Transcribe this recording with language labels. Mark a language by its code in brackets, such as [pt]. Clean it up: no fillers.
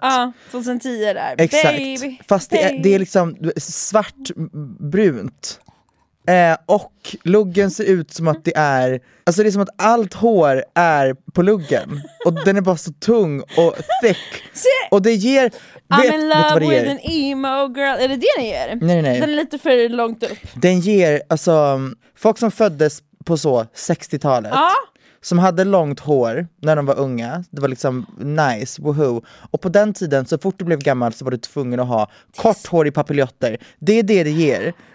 [sv] Ja, 2010 där. Exakt. [en] Baby, [sv] fast [en] baby. [sv] Det är liksom svart-brunt. Och luggen ser ut som att det är... Alltså det är som att allt hår är på luggen. Och den är bara så tung och thick. Och det ger... [en] I'm in love with an emo girl. [sv] Är det det den ger? Nej. Den är lite för långt upp. Den ger, alltså... Folk som föddes på så 60-talet. Ja. Som hade långt hår när de var unga. Det var liksom nice, woohoo. Och på den tiden, så fort du blev gammal så var du tvungen att ha kort hår i papiljotter. Det är det ger.